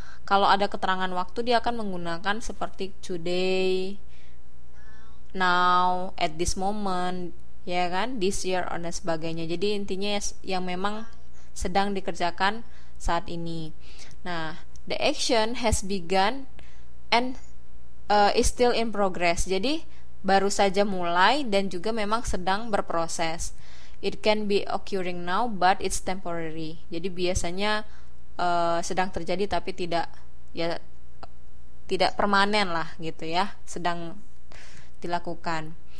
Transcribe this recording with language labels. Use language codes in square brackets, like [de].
[id] Kalau ada keterangan waktu dia akan menggunakan seperti today, now, at this moment, ya kan, this year, dan sebagainya. Jadi intinya yang memang sedang dikerjakan saat ini. [en] Nah, the action has begun and is still in progress. [id] Jadi baru saja mulai dan juga memang sedang berproses. [en] It can be occurring now, but it's temporary. [id] Jadi biasanya sedang terjadi tapi tidak ya tidak permanen lah gitu ya, sedang dilakukan.